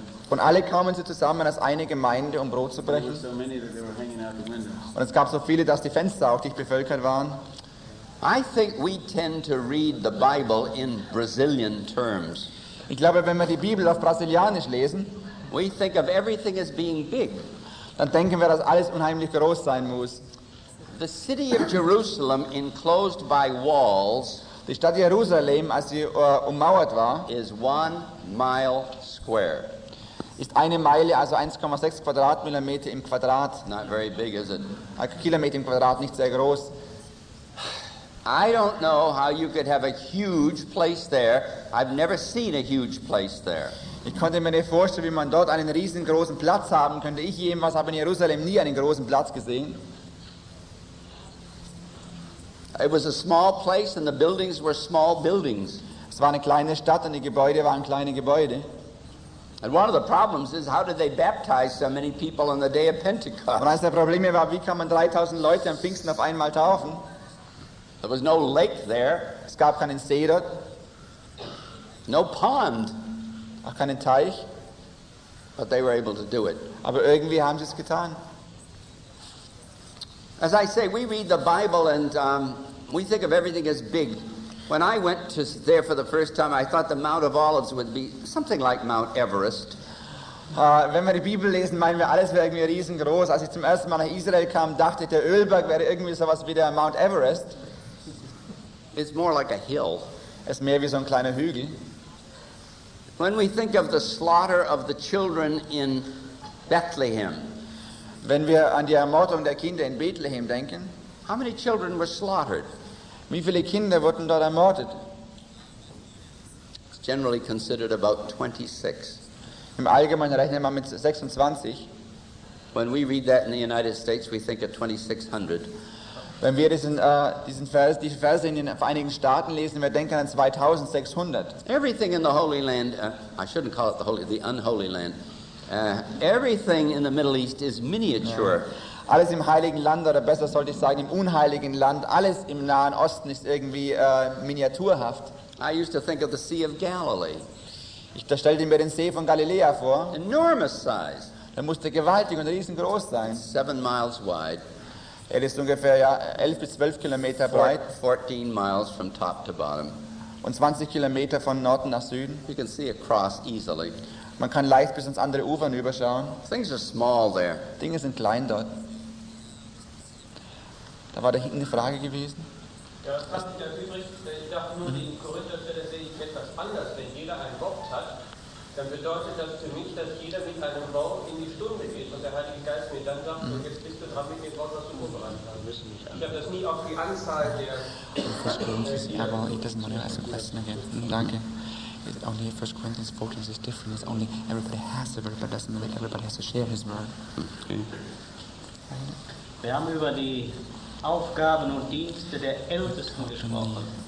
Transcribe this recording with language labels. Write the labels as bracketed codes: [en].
[de] Und alle kamen sie zusammen als eine Gemeinde, um Brot zu brechen. Und es gab so viele, dass die Fenster auch dicht bevölkert waren. [en] I think we tend to read the Bible in Brazilian terms. [de] Ich glaube, wenn wir die Bibel auf Brasilianisch lesen, [en] we think of everything as being big. [de] Dann denken wir, dass alles unheimlich groß sein muss. [en] The city of Jerusalem enclosed by walls, [de] die Stadt Jerusalem, als sie ummauert war, [en] is 1 mile square. [de] Ist eine Meile, also 1,6 Quadratmillimeter im Quadrat. [en] Not very big, is it? [de] Ein Kilometer im Quadrat, nicht sehr groß. [en] I don't know how you could have a huge place there. I've never seen a huge place there. [de] Ich konnte mir nicht vorstellen, wie man dort einen riesengroßen Platz haben könnte. Ich jemals habe in Jerusalem nie einen großen Platz gesehen. [en] It was a small place and the buildings were small buildings. [de] Es war eine kleine Stadt und die Gebäude waren kleine Gebäude. [en] And one of the problems is how did they baptize so many people on the day of Pentecost? [de] Und eines der Probleme war, wie kann man 3000 Leute am Pfingsten auf einmal taufen? [en] There was no lake there. [de] Es gab keinen See dort. [en] No pond. [de] Auch keinen Teich. [en] But they were able to do it. [de] Aber irgendwie haben sie es getan. [en] As I say, we read the Bible and we think of everything as big. When I went to there for the first time, I thought the Mount of Olives would be something like Mount Everest. [de] Wenn wir die Bibel lesen, meinen wir, alles wäre irgendwie riesengroß. Als ich zum ersten Mal nach Israel kam, dachte ich, der Ölberg wäre irgendwie sowas wie der Mount Everest. [en] It's more like a hill. [de] Es ist mehr wie so ein kleiner Hügel. [en] When we think of the slaughter of the children in Bethlehem, [de] wenn wir an die Ermordung der Kinder in Bethlehem denken, [en] how many children were slaughtered? [de] Wie viele Kinder wurden dort ermordet? [en] It's generally considered about 26. [de] Im Allgemeinen rechnet man mit 26. [en] When we read that in the United States, we think of 2600. [de] Wenn wir diese Verse in den Vereinigten Staaten lesen, wir denken an 2600. [en] Everything in the Holy Land, I shouldn't call it the unholy land. Everything in the Middle East is miniature. Yeah. [de] Alles im Heiligen Land, oder besser sollte ich sagen, im unheiligen Land, alles im Nahen Osten ist irgendwie miniaturhaft. [en] I used to think of the Sea of Galilee. [de] Ich stellte mir den See von Galiläa vor. [en] Enormous size. [de] Er musste gewaltig und riesengroß sein. [en] 7 miles wide. [de] Er ist ungefähr 11 bis 12 Kilometer breit. [en] 14 miles from top to bottom. [de] Und 20 Kilometer von Norden nach Süden. [en] You can see across easily. [de] Man kann leicht bis ins andere Ufer überschauen. [en] Things are small there. [de] Dinge sind klein dort. Da war da hinten eine Frage gewesen. Ja, das kann ich ja übrig. Ich dachte nur, die Korintherstelle sehe ich etwas anders. Wenn jeder ein Wort hat, dann bedeutet das für mich, dass jeder mit einem Wort in die Stunde geht und der Heilige Geist mir dann sagt, und jetzt bist du dran mit dem Wort, was du vorbereitet hast. [en] First Corinthians, yeah, well, it doesn't matter. Ask a question again. Danke. It's only First Corinthians 14 is different. It's only everybody has a word, but doesn't mean everybody has to share his word. [de] Wir haben über die Aufgaben und Dienste der Ältesten gesprochen.